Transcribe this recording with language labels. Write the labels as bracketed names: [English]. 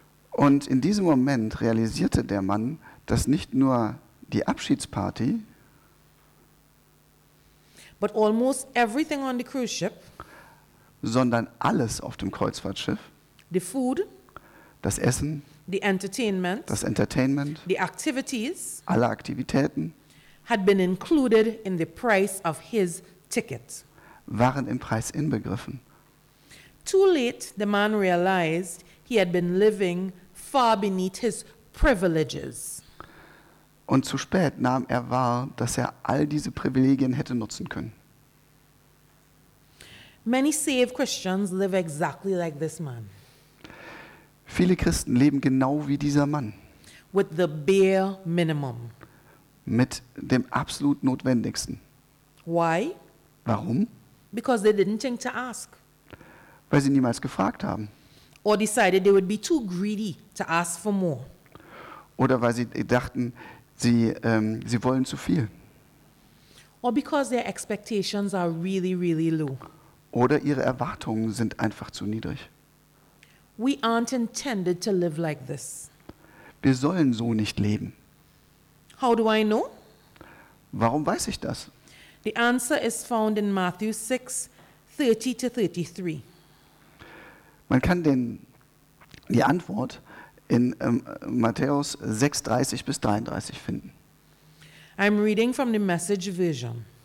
[German] Und in diesem Moment realisierte der Mann, dass nicht nur die Abschiedsparty, [English] but almost everything on the cruise ship, [German] sondern alles auf dem Kreuzfahrtschiff, [English] the food, [German] das Essen, [English] the entertainment, [German] das Entertainment, [English] the activities, [German] alle Aktivitäten, [English] had been included in the price of his ticket. [German] Waren im Preis inbegriffen. [English] Too late, the man realized he had been living far beneath his privileges. [German] Und zu spät nahm er wahr, dass er all diese Privilegien hätte nutzen können. [English] Many saved Christians live exactly like this man. [German] Viele Christen leben genau wie dieser Mann. [English] With the bare minimum. [German] Mit dem absolut Notwendigsten. [English] Why? [German] Warum? [English] Because they didn't think to ask. [German] Weil sie niemals gefragt haben. [English] Or decided they would be too greedy to ask for more. [German] Oder weil sie dachten, sie wollen zu viel. [English] Or because their expectations are really, really low. [German] Oder ihre Erwartungen sind einfach zu niedrig. [English] We aren't intended to live like this. [German] Wir sollen so nicht leben. [English] How do I know? [German] Warum weiß ich das? [English] The answer is found in Matthew 6, 30 to 33. [German] Man kann die Antwort in Matthäus 6, 30 bis 33 finden. [English] I'm reading from the Message Version.